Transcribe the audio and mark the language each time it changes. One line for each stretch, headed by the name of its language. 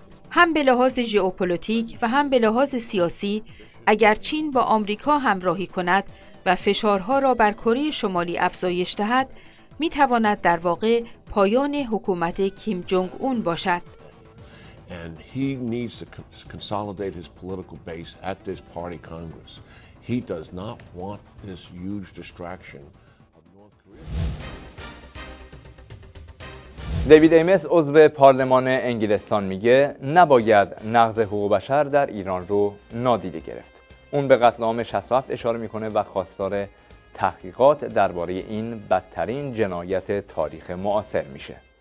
Persian: هم به لحاظ ژئوپلیتیک و هم به لحاظ سیاسی، اگر چین با آمریکا همراهی کند و فشارها را بر کره شمالی افزایش دهد، می تواند در واقع پایان حکومت کیم جونگ اون باشد.
English: And he needs to consolidate his political base at this party congress. He does not want this huge distraction of North Korea.
Persian: دیوید ایمس عضو پارلمان انگلستان میگه نباید نقض حقوق بشر در ایران رو نادیده گرفت. اون به قتل عام 67 اشاره میکنه و خواستار تحقیقات درباره این بدترین جنایت تاریخ معاصر میشه.